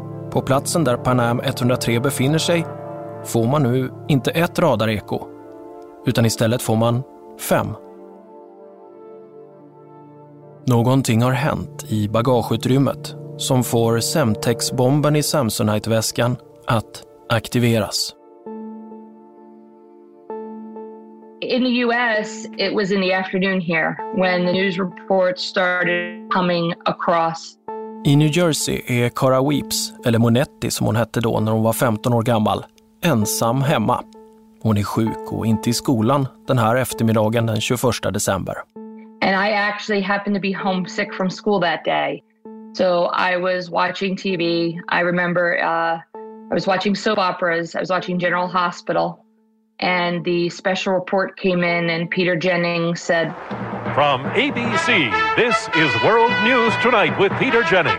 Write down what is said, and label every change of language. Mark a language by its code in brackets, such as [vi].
[sv] På platsen där Pan Am 103 befinner sig får man nu inte ett radareko, utan istället får man fem. Någonting har hänt i bagageutrymmet som får Semtex-bomben i Samsonite-väskan att aktiveras. [en] In the US, it was in the afternoon here when the news reports started coming across. [sv] I New Jersey är Cara Weeps, eller Monetti som hon hette då när hon var 15 år gammal, ensam hemma. Hon är sjuk och inte i skolan den här eftermiddagen den 21 december. [en] And I actually happened to be homesick from school that day. So I was watching TV. I remember I was watching soap operas. I was watching General Hospital. And the special report came in and Peter Jennings said... From ABC, this is World News Tonight with Peter Jennings.